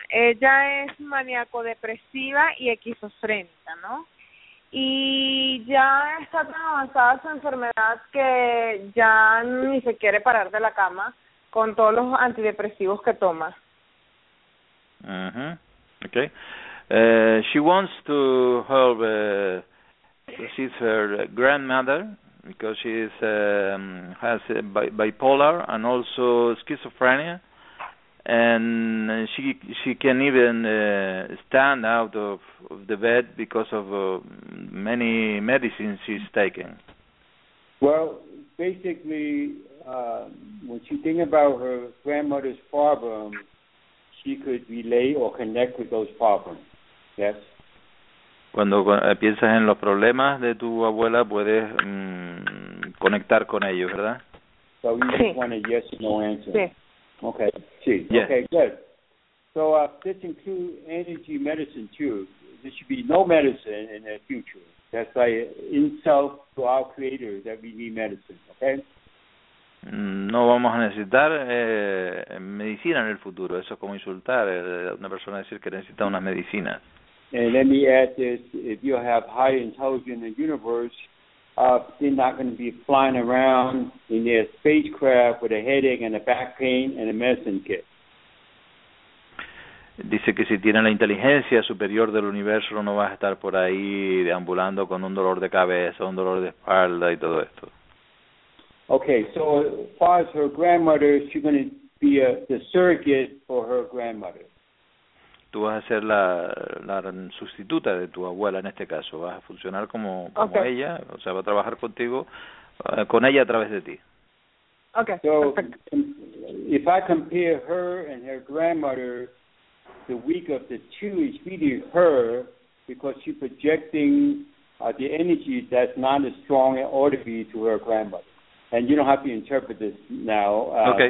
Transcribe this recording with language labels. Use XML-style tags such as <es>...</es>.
<es>Ella es maníaco-depresiva y esquizofrénica, ¿no? Y ya está tan avanzada su enfermedad que ya ni se quiere parar de la cama con todos los antidepresivos que toma. Uh-huh. Okay.</es> <en>She wants to help assist her grandmother because she is has bipolar and also schizophrenia, and she can even stand out of the bed because of many medicines she's taking. Well, basically, when she thinks about her grandmother's problem, she could relate or connect with those problems. Yes.</en> <es>Cuando piensas en los problemas de tu abuela, puedes conectar con ellos, ¿verdad?</es> <en>So you just want a yes or no answer.</en> <es>Sí.</es> <en>Okay. Yes. Okay, good. So this includes energy medicine too. There should be no medicine in the future. That's why in self to our creator that we need medicine, okay?</en> <es>No vamos a necesitar medicina en el futuro. Eso es como insultar a una persona decir que necesita unas medicinas.</es> <en>And let me add this, if you have higher intelligence in the universe, they're not going to be flying around in their spacecraft with a headache and a back pain and a medicine kit.</en> <es>Dice que si tienen la inteligencia superior del universo, no vas a estar por ahí deambulando con un dolor de cabeza, un dolor de espalda y todo esto.</es> <en>Okay, so as far as her grandmother, she's going to be the surrogate for her grandmother.</en> <es>Tú vas a ser la sustituta de tu abuela en este caso. Vas a funcionar como okay. Ella, o sea, va a trabajar contigo, con ella a través de ti. Okay.</es> <en>So, if I compare her and her grandmother, the weak of the two is really her because she's projecting the energy that's not as strong and ought to be to her grandmother. And you don't have to interpret this now.</en>